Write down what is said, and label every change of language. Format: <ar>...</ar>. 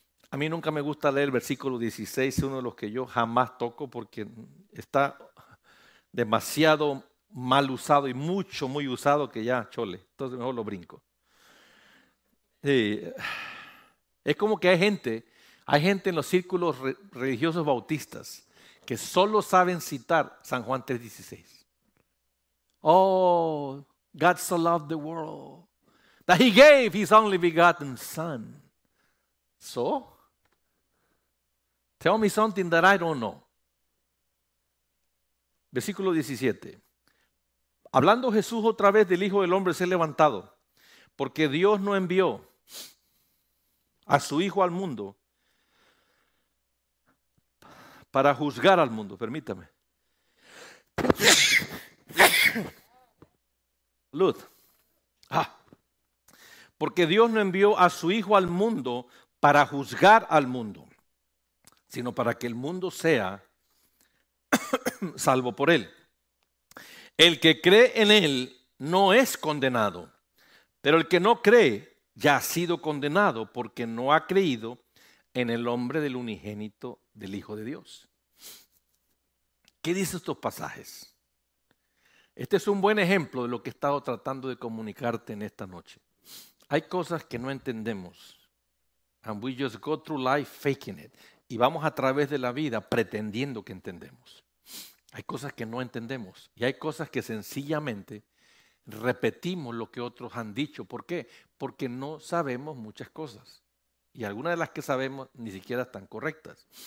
<es>A mí nunca me gusta leer el versículo 16, es uno de los que yo jamás toco porque está demasiado mal usado y mucho, muy usado que ya, chole. Entonces mejor lo brinco. Sí. Es como que hay gente en los círculos religiosos bautistas que solo saben citar San Juan 3:16.</es> <en>Oh, God so loved the world that he gave his only begotten son. So, tell me something that I don't know.</en> <es>Versículo 17. Hablando Jesús otra vez del Hijo del Hombre se ha levantado, porque Dios no envió a su Hijo al mundo para juzgar al mundo. Permítame. Luz. Ah. Porque Dios no envió a su Hijo al mundo para juzgar al mundo, sino para que el mundo sea salvo por él. El que cree en él no es condenado, pero el que no cree ya ha sido condenado porque no ha creído en el nombre del unigénito del Hijo de Dios. ¿Qué dicen estos pasajes? Este es un buen ejemplo de lo que he estado tratando de comunicarte en esta noche. Hay cosas que no entendemos.</es> <en>And we just go through life faking it.</en> <es>Y vamos a través de la vida pretendiendo que entendemos. Hay cosas que no entendemos. Y hay cosas que sencillamente repetimos lo que otros han dicho. ¿Por qué? Porque no sabemos muchas cosas. Y algunas de las que sabemos ni siquiera están correctas.</es>